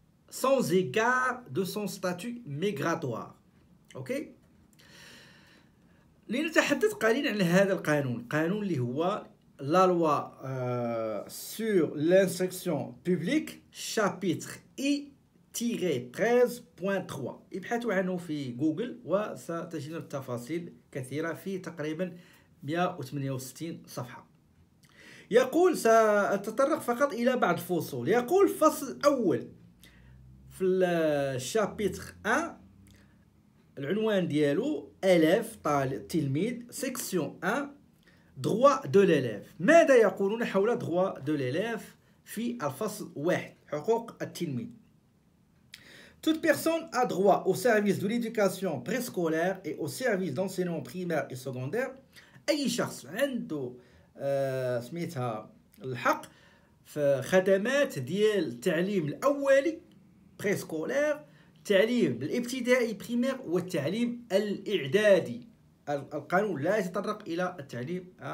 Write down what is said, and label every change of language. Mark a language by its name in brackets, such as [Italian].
[French] sans égard de son statut migratoire. [Arabic] اوكي، لنتحدث قليلا عن هذا القانون، القانون اللي هو [French] la loi sur l'instruction publique chapitre I -13.3. [Arabic] ابحثوا عنه في جوجل وستجدون التفاصيل كثيرة، في تقريبا 168 صفحة. يقول، سأتطرق فقط إلى بعض الفصول. يقول فصل أول في الشابيتر 1 العنوان ديالو ألف طالب تلميذ، سيكسيون 1 دغوا دو ليليف. ماذا يقولون حول دغوا دو ليليف في الفصل 1 حقوق التلميذ؟ [French] Toute personne a droit au service de l'éducation préscolaire et au service d'enseignement primaire et secondaire. [Arabic] أي شخص عنده سميتها الحق في خدمات ديال التعليم الأولي préscolaire، التعليم الابتدائي primaire، والتعليم الإعدادي. القانون لا يتطرق إلى التعليم